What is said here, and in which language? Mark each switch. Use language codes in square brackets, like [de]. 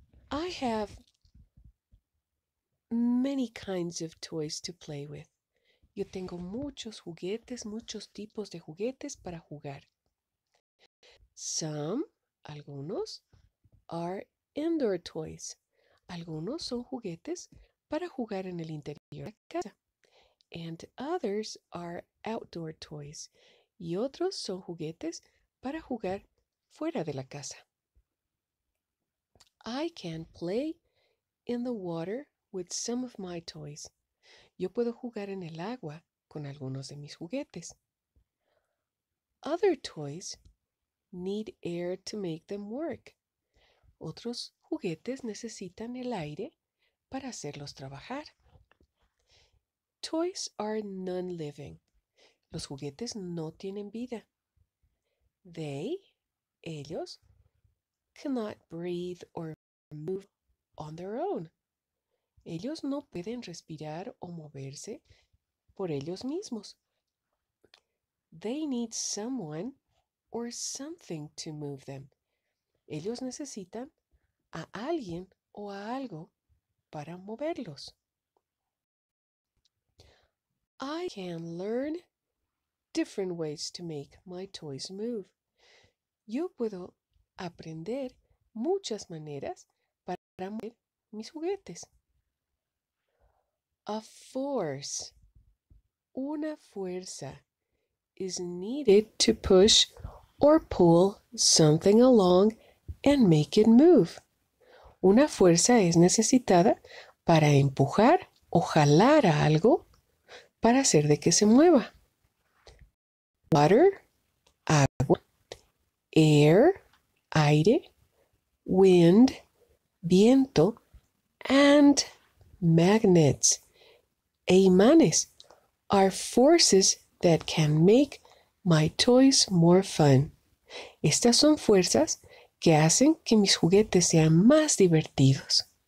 [en] I have many kinds of toys to play with. [es] Yo tengo muchos juguetes, muchos tipos de juguetes para jugar. [en] Some, [es] algunos, [en] are indoor toys. [es] Algunos son juguetes para jugar en el interior de la casa. [en] And others are outdoor toys. [es] Y otros son juguetes para jugar fuera de la casa. [en] I can play in the water with some of my toys. [es] Yo puedo jugar en el agua con algunos de mis juguetes. [en] Other toys need air to make them work. [es] Otros juguetes necesitan el aire para hacerlos trabajar. [en] Toys are non-living. [es] Los juguetes no tienen vida. [en] They, [es] ellos, [en] cannot breathe or move on their own. [es] Ellos no pueden respirar o moverse por ellos mismos. [en] They need someone or something to move them. [es] Ellos necesitan a alguien o a algo para moverlos. [en] I can learn different ways to make my toys move. [es] Yo puedo aprender muchas maneras para mover mis juguetes. [en] A force, [es] una fuerza, [en] is needed to push or pull something along and make it move. [es] Una fuerza es necesitada para empujar o jalar a algo para hacer de que se mueva. [en] Water, [es] agua, [en] air, [es] aire, [en] wind, [es] viento, [en] and magnets, [es] e imanes, [en] are forces that can make my toys more fun. [es] Estas son fuerzas que hacen que mis juguetes sean más divertidos.